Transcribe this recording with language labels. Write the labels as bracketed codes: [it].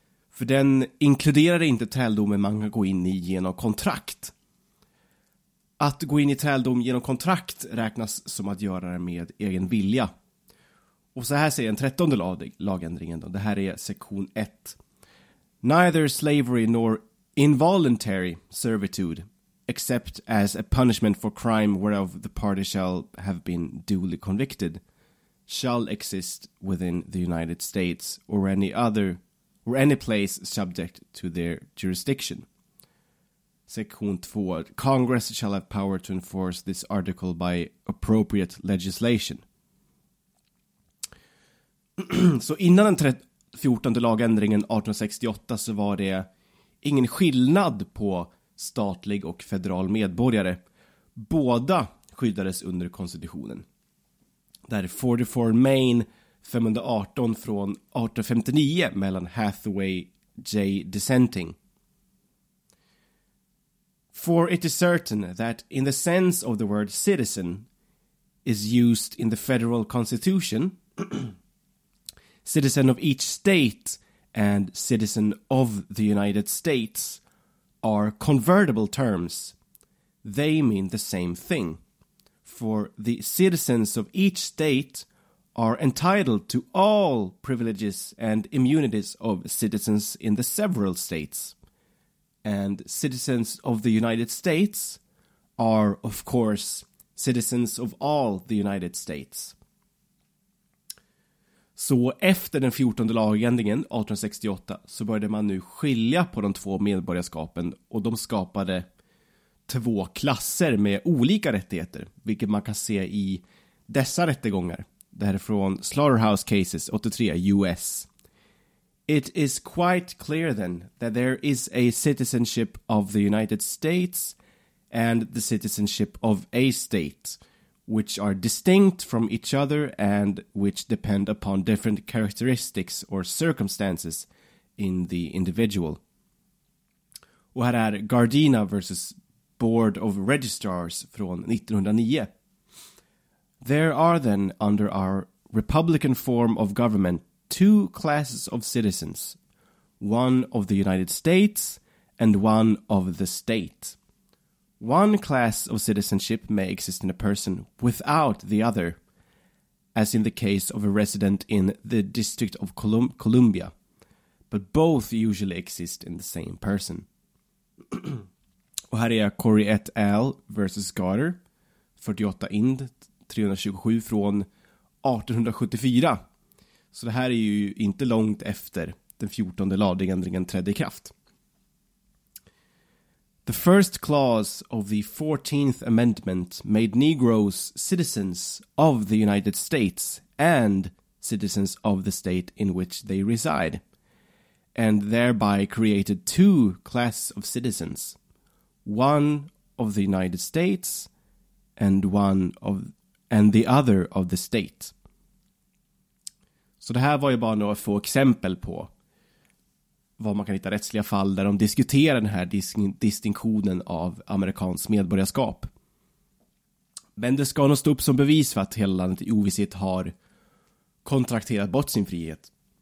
[sv] För den inkluderar inte träldomen man kan gå in i genom kontrakt. Att gå in i träldom genom kontrakt räknas som att göra det med egen vilja. Och så här säger den 13:e lagändringen då. Det här är sektion 1. [en] Neither slavery nor involuntary servitude, except as a punishment for crime whereof the party shall have been duly convicted, shall exist within the United States or any other or any place subject to their jurisdiction. [sv] Sektion 2. [en] Congress shall have power to enforce this article by appropriate legislation. [sv] Så innan den 14:e lagändringen 1868 så var det ingen skillnad på statlig och federal medborgare. Båda skyddades under konstitutionen. Där 44 Maine 518 från 1859 mellan Hathaway J. [en] Dissenting. For it is certain that in the sense of the word citizen is used in the federal constitution, citizen of each state and citizen of the United States are convertible terms. They mean the same thing. For the citizens of each state are entitled to all privileges and immunities of citizens in the several states. And citizens of the United States are, of course, citizens of all the United States. [sv] Så efter den 14:e lagändringen 1868 så började man nu skilja på de två medborgarskapen och de skapade två klasser med olika rättigheter, vilket man kan se i dessa rättegångar. Det här är från Slaughterhouse Cases 83 US. [en] It is quite clear then that there is a citizenship of the United States and the citizenship of a state, which are distinct from each other and which depend upon different characteristics or circumstances in the individual. [sv] Och här är Gardena versus Board of Registrars från 1909. [en] There are then under our republican form of government two classes of citizens, one of the United States and one of the state. One class of citizenship may exist in a person without the other, as in the case of a resident in the District of Columbia, but both usually exist in the same person. [sv] Och här är Corey et al. Versus Garter, 48 Ind, 327 från 1874. Så det här är ju inte långt efter den 14:e lagändringen trädde i kraft. [en] The first clause of the 14th Amendment made Negroes citizens of the United States and citizens of the state in which they reside, and thereby created two classes of citizens, one of the United States and the other of the state. [sv] Så det här var ju bara några få exempel på vad man kan hitta rättsliga fall där de diskuterar den här distinktionen av amerikansk medborgarskap. Men det ska nog stå upp som bevis för att hela landet i ovisshet har kontrakterat bort sin frihet.